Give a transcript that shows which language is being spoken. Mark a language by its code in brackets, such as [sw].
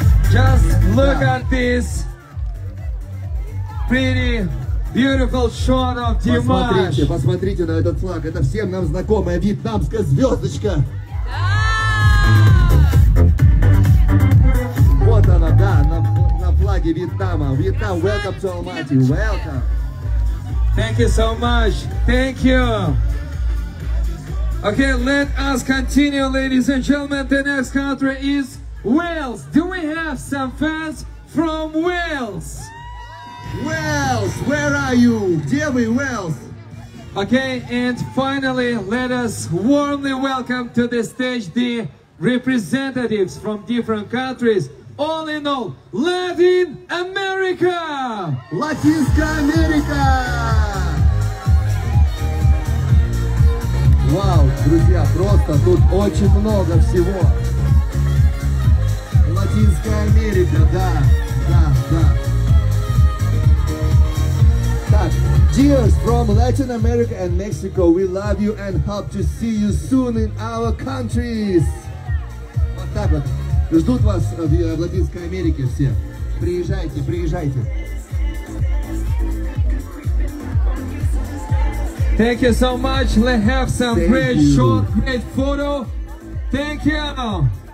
[en] Just look at this pretty beautiful shot of Димаш! [ru] Посмотрите, посмотрите на этот флаг, это всем нам знакомая вьетнамская звездочка! Да! Вот она, да, на флаге Вьетнама! [en] Вьетнам, welcome to Almaty, welcome! Thank you so much. Thank you. Okay, let us continue, ladies and gentlemen. The next country is Wales. Do we have some fans from Wales? Wales, where are you? Dear me, Wales. Okay, and finally, let us warmly welcome to the stage the representatives from different countries. All in all, Latin America! [ru] Латинская Америка! Вау, друзья, просто тут очень много всего. Латинская Америка, да, да, да. [en] Так, cheers from Latin America and Mexico. We love you and hope to see you soon in our countries. [ru] Вот так вот. Ждут вас в Латинской Америке все. Приезжайте, приезжайте. [en] Thank you so much. Let's have some Thank great you. Short, great photo. Thank you. Welcome.